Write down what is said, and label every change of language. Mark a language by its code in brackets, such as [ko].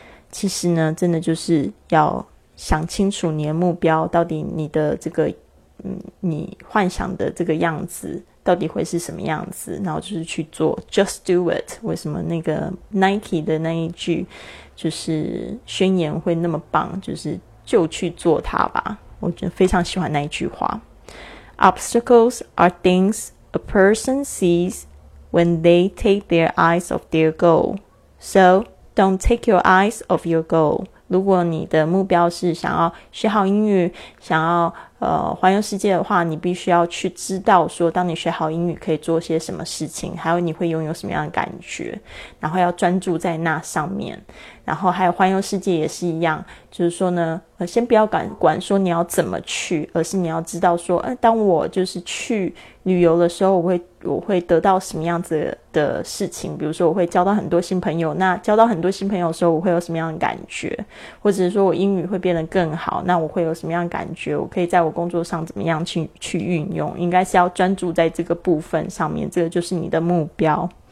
[zh] 其实呢真的就是要想清楚你的目标到底，你的这个你幻想的这个样子到底会是什么样子，然后就是去做， [en] just do it。 [zh] 为什么那个 Nike 的那一句就是宣言会那么棒，就是就去做它吧，我觉得非常喜欢那一句话。 [en] Obstacles are things a person sees when they take their eyes off their goal. So, don't take your eyes off your goal. [zh] 如果你的目标是想要学好英语，想要环游世界的话，你必须要去知道说当你学好英语可以做些什么事情，还有你会拥有什么样的感觉，然后要专注在那上面。然后还有环游世界也是一样，就是说呢先不要管说你要怎么去，而是你要知道说当我就是去旅游的时候，我会得到什么样子的事情，比如说我会交到很多新朋友，那交到很多新朋友的时候我会有什么样的感觉，或者是说我英语会变得更好，那我会有什么样的感觉，我可以在我工作上怎么样去运用，应该是要专注在这个部分上面，这个就是你的目标。